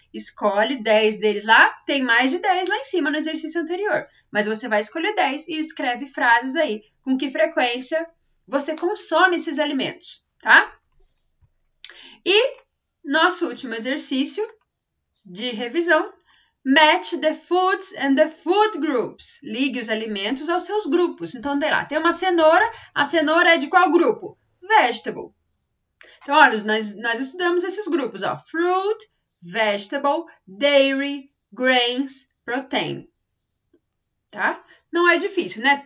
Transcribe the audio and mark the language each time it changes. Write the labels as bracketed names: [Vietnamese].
[Portuguese] Escolhe 10 deles lá. Tem mais de 10 lá em cima no exercício anterior. Mas você vai escolher 10 e escreve frases aí. Com que frequência você consome esses alimentos, tá? E nosso último exercício de revisão, [English] Match the foods and the food groups. [Portuguese] Ligue os alimentos aos seus grupos. Então, terá. Tem uma cenoura. A cenoura é de qual grupo? Vegetable. Então, olha, nós estudamos esses grupos, ó. [English] Fruit, vegetable, dairy, grains, protein. [Portuguese] Tá? Não é difícil, né?